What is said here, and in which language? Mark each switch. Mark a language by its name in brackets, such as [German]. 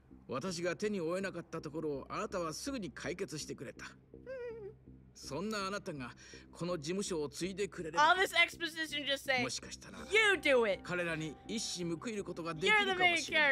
[Japanese] 私が手に負えなかったところをあなたはすぐに解決してくれた。そんなあなたがこの事務所を継いでくれれば [English] All this exposition just saying, you do it. [Japanese] 彼らに一矢報いることができるかもしれない。